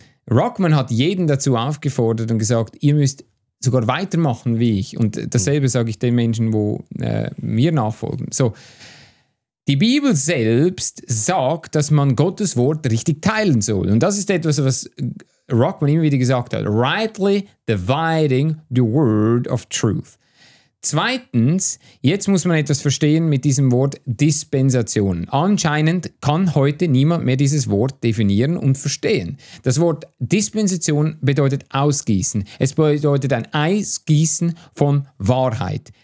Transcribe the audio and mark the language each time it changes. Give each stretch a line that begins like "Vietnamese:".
German: Ruckman hat jeden dazu aufgefordert und gesagt, ihr müsst sogar weitermachen wie ich. Und dasselbe sage ich den Menschen, wo mir nachfolgen. So, die Bibel selbst sagt, dass man Gottes Wort richtig teilen soll. Und das ist etwas, was Ruckman immer wieder gesagt hat.
English: Rightly dividing the word of truth.
German: Zweitens, jetzt muss man etwas verstehen mit diesem Wort Dispensation. Anscheinend kann heute niemand mehr dieses Wort definieren und verstehen. Das Wort Dispensation bedeutet Ausgießen. Es bedeutet ein Ausgießen von Wahrheit.